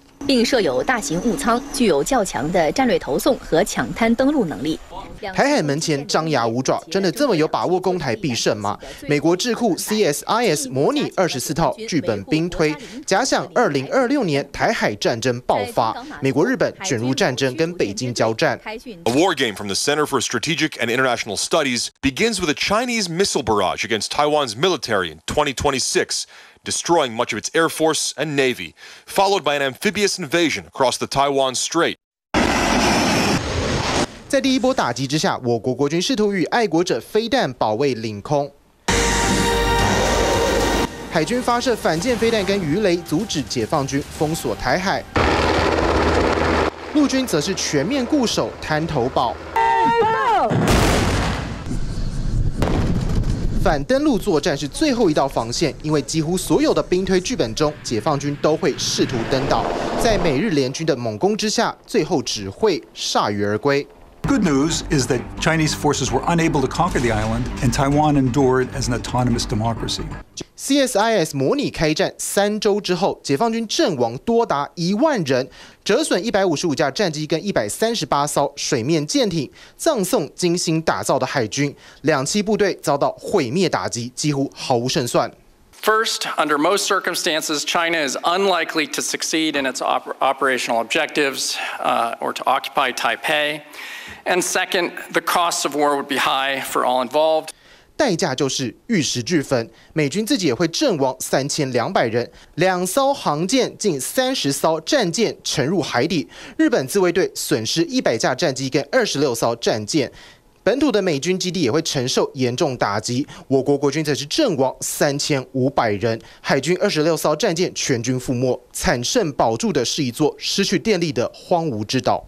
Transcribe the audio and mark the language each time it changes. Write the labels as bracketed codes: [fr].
[zh] 并设有大型雾舱，具有较强的战略投送和抢滩登陆能力。台海门前张牙舞爪，真的这么有把握攻台必胜吗？美国智库 CSIS 模拟24套剧本兵推，假想2026年台海战争爆发，美国日本卷入战争跟北京交战。 [en] A war game from the Center for Strategic and International Studies begins with a Chinese missile barrage against Taiwan's military in 2026, destroying much of its air force and navy, followed by an amphibious invasion across the Taiwan Strait. [zh] 在第一波打击之下，我国国军试图与爱国者飞弹保卫领空，海军发射反舰飞弹跟鱼雷，阻止解放军封锁台海，陆军则是全面固守滩头堡，反登陆作战是最后一道防线，因为几乎所有的兵推剧本中，解放军都会试图登岛，在美日联军的猛攻之下，最后只会铩羽而归。 [en] Good news is that Chinese forces were unable to conquer the island, and Taiwan endured as an autonomous democracy. [zh] CSIS 模拟开战三周之后，解放军阵亡多达10,000人，折损155架战机跟138艘水面舰艇，葬送精心打造的海军，两栖部队遭到毁灭打击，几乎毫无胜算。 [en] First, under most circumstances, China is unlikely to succeed in its operational objectives, or to occupy Taipei. And second, the cost of war would be high for all involved. [zh] 代价就是玉石俱焚，美军自己也会阵亡3,200人，两艘航舰、近30艘战舰沉入海底，日本自卫队损失100架战机跟26艘战舰。本土的美军基地也会承受严重打击，我国国军则是阵亡3,500人，海军26艘战舰全军覆没，惨胜保住的是一座失去电力的荒芜之岛。